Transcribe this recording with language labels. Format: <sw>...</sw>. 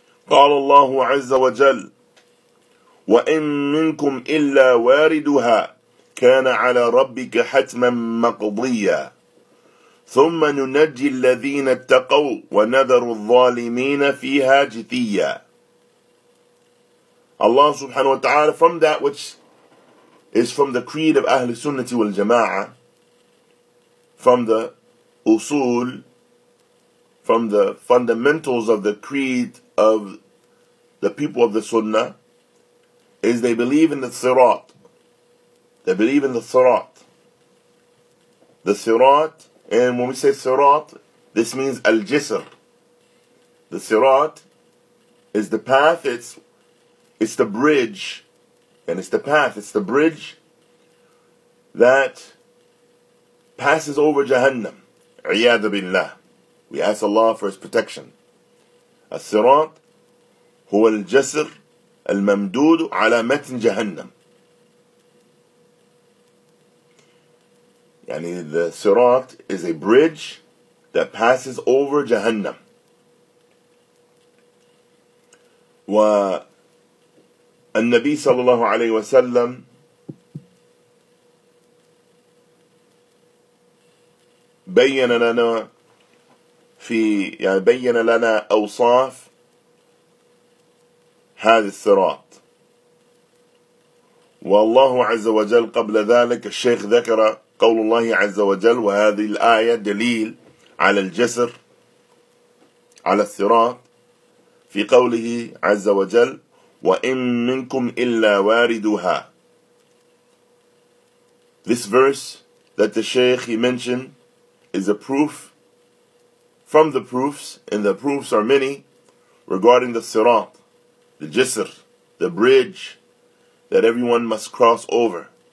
<ar>قال الله عز وجل, وإن منكم إلا واردها كان على ربك حتما مقضيا ثم ننجي الذين اتقوا ونذر الظالمين فيها جثيا. الله سبحانه وتعالى,</ar> <en>from that which is from the creed of Ahl Sunnati wal Jama'ah, from the usul, from the fundamentals of the creed of the people of the Sunnah, is they believe in the Sirat. They believe in the Sirat. The Sirat, and when we say Sirat, this means Al-Jisr. The Sirat is the path, it's the bridge. And it's the path, it's the bridge that passes over Jahannam.</en> <ar>عِيَادَ بِاللَّهِ.</ar> <en>We ask Allah for His protection.</en> <ar>السِّرَاط هو الجسر الممدود على متن جهنم.</ar> <en>يعني the Sirat is a bridge that passes over Jahannam.</en> <ar>و النبي صلى الله عليه وسلم بين لنا في يعني بين لنا أوصاف هذا الصراط. والله عز وجل قبل ذلك الشيخ ذكر قول الله عز وجل, وهذه الآية دليل على الجسر على الصراط, في قوله عز وجل, وَإِن مِنْكُمْ إِلَّا وَارِدُهَا.</ar> <en>This verse that the Shaykh he mentioned is a proof from the proofs, and the proofs are many regarding the Sirat, the Jisr, the bridge that everyone must cross over.</en>